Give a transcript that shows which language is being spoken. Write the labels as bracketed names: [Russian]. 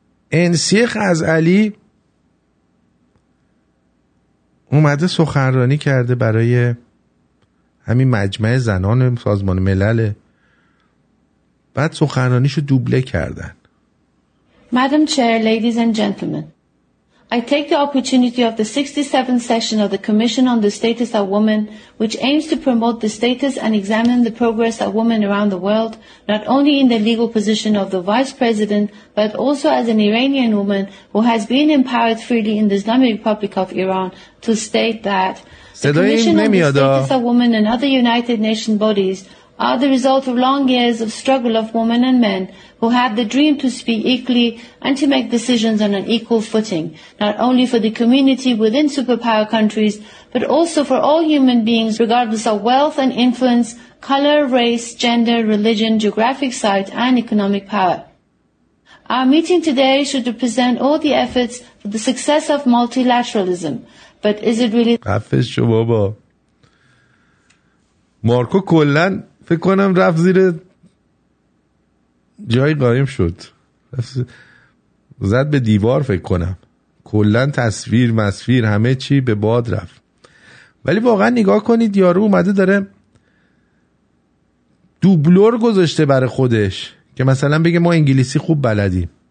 [Persian] انسی خزعلی اومده سخنرانی کرده برای همین مجمع زنان سازمان ملل، بعد سخنرانیشو دوبله کردن. [English] Madam Chair, ladies and gentlemen, I take the opportunity of the 67th session of the Commission on the Status of Women, which aims to promote the status and examine the progress of women around the world, not only in the legal position of the Vice President, but also as an Iranian woman who has been empowered freely in the Islamic Republic of Iran, to state that the Commission on the Status of Women and other United Nations bodies are the result of long years of struggle of women and men who have the dream to speak equally and to make decisions on an equal footing, not only for the community within superpower countries, but also for all human beings, regardless of wealth and influence, color, race, gender, religion, geographic site, and economic power. Our meeting today should represent all the efforts for the success of multilateralism, but is it really... [Persian] مارکو کلن فکر کنم رفت زیر جای قایم شد، زد به دیوار فکر کنم، کلن تصویر مصویر همه چی به باد رفت. ولی واقعا نگاه کنید یارو اومده داره دوبلور گذاشته برای خودش که مثلا بگه ما انگلیسی خوب بلدیم.